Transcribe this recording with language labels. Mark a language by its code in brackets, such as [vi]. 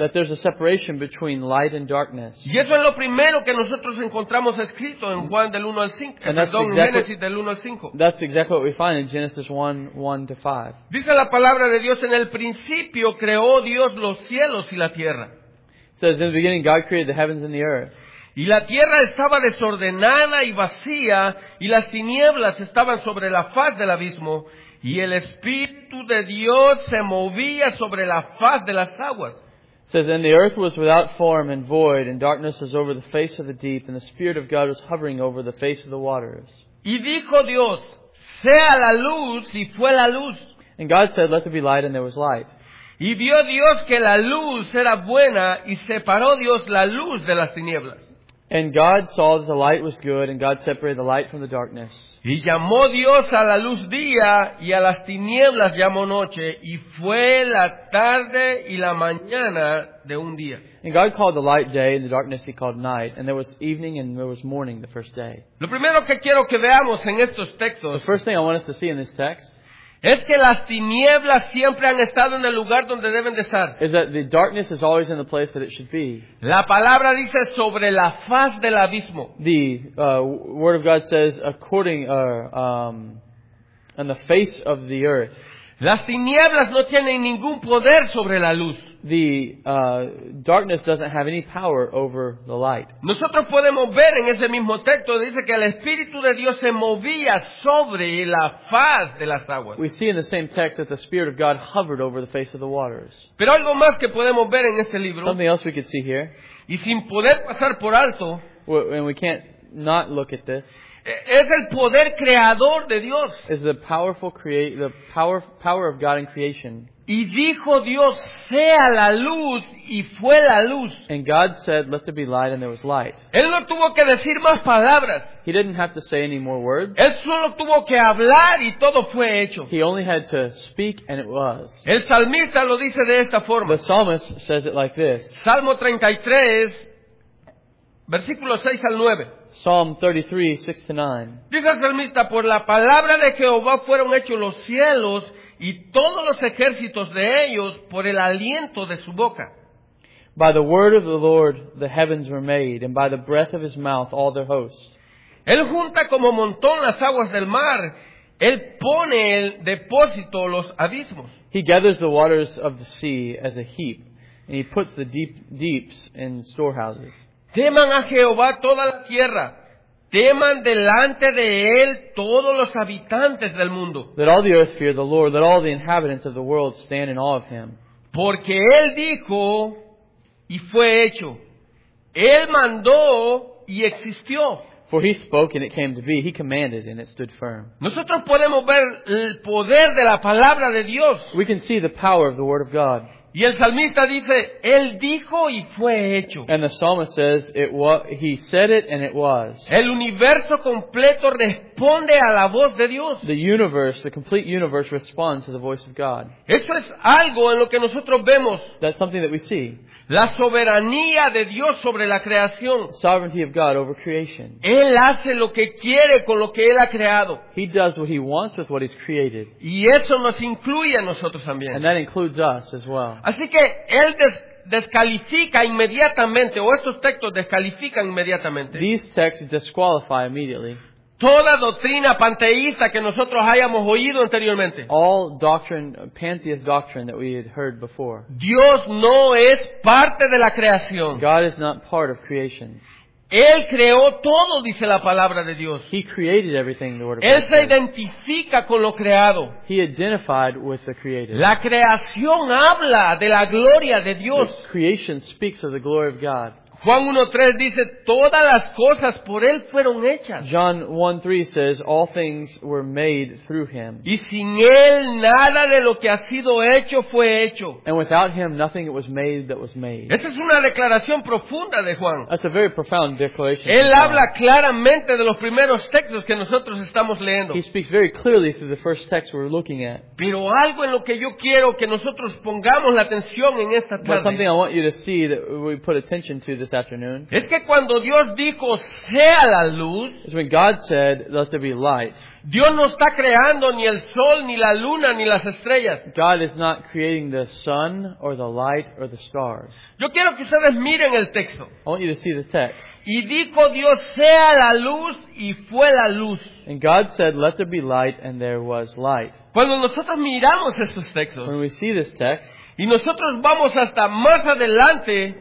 [en] That there's a separation between light and darkness. [es] Y eso es lo primero que nosotros encontramos escrito en Juan del 1 al 5. Génesis del 1 al 5. [en] That's exactly what we find in Genesis 1:1-5. [es] Dice la palabra de Dios, en el principio creó Dios los cielos y la tierra. [en] It says, in the beginning God created the heavens and the earth. [es] Y la tierra estaba desordenada y vacía, y las tinieblas estaban sobre la faz del abismo, y el Espíritu de Dios se movía sobre la faz de las aguas. [en] It says, and the earth was without form and void, and darkness was over the face of the deep, and the Spirit of God was hovering over the face of the waters. [es] Y dijo Dios, sea la luz, y fue la luz. [en] And God said, let there be light, and there was light. [es] Y vio Dios que la luz era buena, y separó Dios la luz de las tinieblas. [en] And God saw that the light was good, and God separated the light from the darkness. [es] Y llamó Dios a la luz día, y a las tinieblas llamó noche, y fue la tarde y la mañana de un día. [en] And God called the light day, and the darkness he called night, and there was evening and there was morning the first day. [es] Lo primero que quiero que veamos en estos textos, [en] the first thing I want us to see in this text, [es] es que las tinieblas siempre han estado en el lugar donde deben de estar. [en] Is that the darkness is always in the place that it should be. [es] La palabra dice sobre la faz del abismo. [en] The word of God says according on the face of the earth. [es] Las tinieblas no tienen ningún poder sobre la luz. [en] The darkness doesn't have any power over the light. [es] Nosotros podemos ver en ese mismo texto dice que el Espíritu de Dios se movía sobre la faz de las aguas. [en] We see in the same text that the Spirit of God hovered over the face of the waters. [es] Pero algo más que podemos ver en este libro. [en] Something else we could see here. [es] Y sin poder pasar por alto. [en] And we can't not look at this. [es] Es el poder creador de Dios. [en] Is the powerful power of God in creation. [es] Y dijo Dios, sea la luz, y fue la luz. [en] And God said, let there be light, and there was light. [es] Él no tuvo que decir más palabras. [en] He didn't have to say any more words. [es] Él solo tuvo que hablar, y todo fue hecho. [en] He only had to speak, and it was. [es] El salmista lo dice de esta forma. [en] The psalmist says it like this. [es] Salmo 33, versículos 6 al 9. [en] Psalm 33, 6-9. [es] Dice el salmista, por la palabra de Jehová fueron hechos los cielos y todos los ejércitos de ellos por el aliento de su boca. [en] By the word of the Lord the heavens were made, and by the breath of his mouth all their hosts. [es] Él junta como montón las aguas del mar, él pone el depósito los abismos. [en] He gathers the waters of the sea as a heap, and he puts the deeps in storehouses. [es] Teman a Jehová toda la tierra. Teman delante de él todos los habitantes del mundo. [en] Let all the earth fear the Lord. Let all the inhabitants of the world stand in awe of him. [es] Porque Él dijo y fue hecho. Él mandó y existió. [en] For He spoke and it came to be. He commanded and it stood firm. [es] Nosotros podemos ver el poder de la palabra de Dios. [en] We can see the power of the Word of God. [es] Y el salmista dice, Él dijo y fue hecho. [en] And the psalmist says, it was, He said it and it was. [es] El universo completo responde a la voz de Dios. [en] The universe, the complete universe responds to the voice of God. [es] Eso es algo en lo que nosotros vemos. [en] That's something that we see. [es] La soberanía de Dios sobre la creación. [en] Sovereignty of God over creation. [es] Él hace lo que quiere con lo que Él ha creado. [en] He does what He wants with what He's created. [es] Y eso nos incluye a nosotros también. [en] And that includes us as well. [es] Así que Él descalifica inmediatamente, o estos textos descalifican inmediatamente. [en] These texts disqualify immediately. [es] Toda doctrina panteísta que nosotros hayamos oído anteriormente. [en] All doctrine, pantheist doctrine that we had heard before. [es] Dios no es parte de la creación. [en] God is not part of creation. [es] Él creó todo, dice la palabra de Dios. [en] He created everything, the word of [es] Él [en] God. [es] Él se identifica con lo creado. [en] He identified with the created. [es] La creación habla de la gloria de Dios. [en] The creation speaks of the glory of God. [es] Juan 1:3 dice, todas las cosas por Él fueron hechas. [en] John 1:3 says, all things were made through Him. [es] Y sin Él, nada de lo que ha sido hecho fue hecho. [en] And without Him, nothing was made that was made. [es] Esa es una declaración profunda de Juan. [en] That's a very profound declaration. [es] Él habla claramente de los primeros textos que nosotros estamos leyendo. [en] He speaks very clearly through the first text we're looking at. [es] Pero algo en lo que yo quiero que nosotros pongamos la atención en esta tarde. [en] But something I want you to see that we put attention to this afternoon. [es] Es que cuando Dios dijo sea la luz, [en] is when God said let there be light. [es] Dios no está creando ni el sol ni la luna ni las estrellas. [en] God is not creating the sun or the light or the stars. [es] Yo quiero que ustedes miren el texto. [en] I want you to see the text. [es] Y dijo Dios sea la luz y fue la luz. [en] And God said let there be light and there was light. [es] Cuando nosotros miramos estos textos, [en] when we see this text, [es] y nosotros vamos hasta más adelante.